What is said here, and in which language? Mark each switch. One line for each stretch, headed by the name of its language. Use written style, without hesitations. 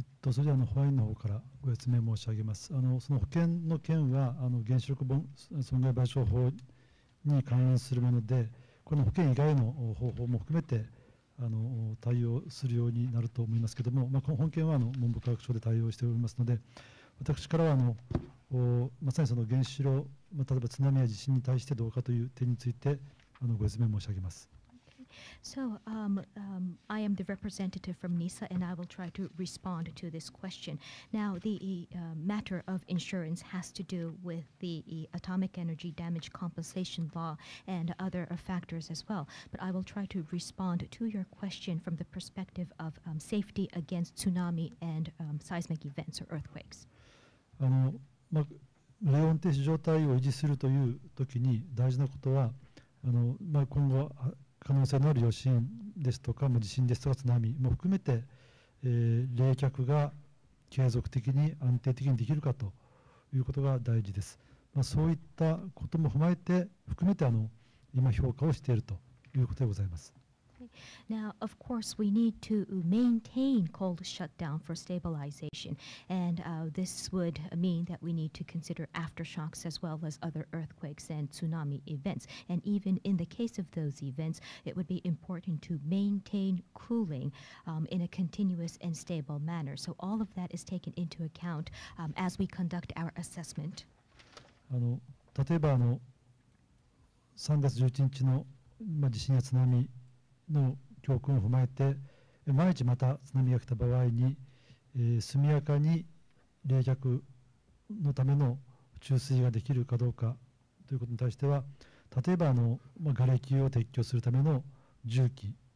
Japanese: それではホワイトの方からご説明申し上げます。その保険の件は原子力損害賠償法に関連するもので、この保険以外の方法も含めて対応するようになると思いますけれども、本件は文部科学省で対応しておりますので、私からはまさにその原子炉、例えば津波や地震に対してどうかという点について、ご説明申し上げます。
English: So, I am the representative from NISA, and I will try to respond to this question. Now, the matter of insurance has to do with the Atomic Energy Damage Compensation Law and other factors as well. But I will try to respond to your question from the perspective of safety against tsunami and seismic events or earthquakes.
Japanese: ライオン停止状態を維持するというときに大事なことは、今後可能性のある余震ですとか、地震ですとか津波も含めて、冷却が継続的に安定的にできるかということが大事です。そういったことも踏まえて含めて今評価をしているということでございます。
English: Now, of course, we need to maintain cold shutdown for stabilization, and this would mean that we need to consider aftershocks as well as other earthquakes and tsunami events. And even in the case of those events, it would be important to maintain cooling in a continuous and stable manner. So all of that is taken into account as we conduct our assessment.
Japanese: 例えば3月11日の地震や津波の教訓を踏まえて、万一また津波が来た場合に、速やかに冷却のための注水ができるかどうかということに対しては、例えば瓦礫を撤去するための重機、